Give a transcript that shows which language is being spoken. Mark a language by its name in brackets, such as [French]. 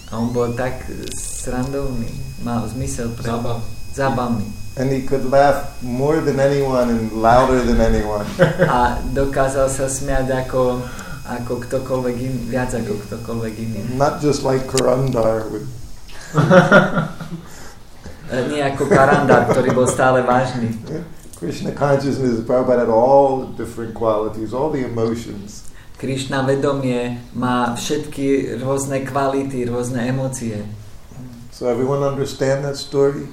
[Slovak] A on bol tak srandovný, mal zmysel pre zábavný. [English] And he could laugh more than anyone and louder than anyone. [Slovak] A dokázal sa smiať ako ktokoľvek iný, viac ako ktokoľvek iný. [English] Not just like Karandar would. [Slovak] Nie ako Karandar, ktorý bol stále vážny. [English] Krishna consciousness, Prabhupada had all the different qualities, all the emotions. [Slovak] Krishna vedomie má všetky rôzne kvality, rôzne emócie. [English] So everyone understand that story?